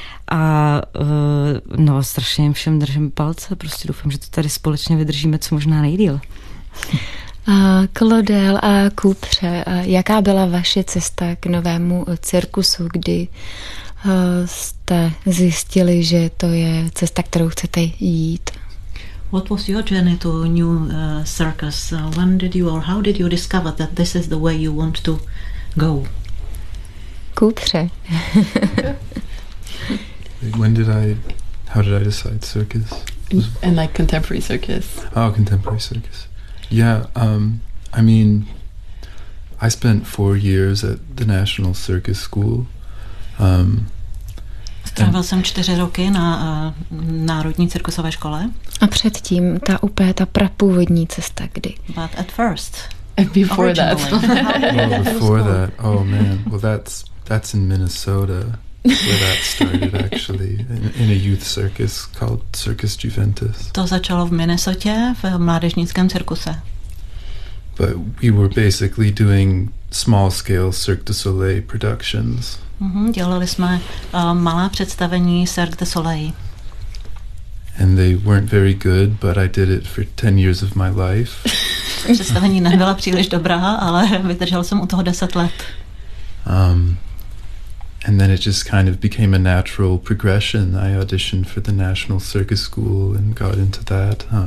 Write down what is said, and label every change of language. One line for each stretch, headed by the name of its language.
Czech: A no, strašně jim všem držím palce, prostě doufám, že to tady společně vydržíme co možná nejdýl. Klodel a Kupře, jaká byla vaše cesta k novému cirkusu, kdy jste zjistili, že to je cesta, kterou chcete jít?
English: What was your journey to new circus? When did you or how did you discover that this is the way you want to go? Kupře. How did I decide circus? And like contemporary circus. Oh, contemporary circus. Yeah, I mean, I spent 4 years at the National Circus School.
Czech: Strávil jsem 4 roky na Národní cirkusové škole. A předtím ta prapůvodní cesta, kdy?
English: But at first. And before that. Well, before that, oh man, well that's in Minnesota where that started actually, in a youth circus called Circus Juventus.
Czech: To začalo v Minnesotě, v mládežnickém cirkuse.
English: But we were basically doing small-scale Cirque du Soleil productions.
Czech: Dělali jsme malá představení Cirque du Soleil.
English: And they weren't very good, but I did it for 10 years of my life.
Czech: představení nebyla příliš dobrá, ale vydržel jsem u toho 10 let.
English: And then it just kind of became a natural progression. I auditioned for the National Circus School and got into that.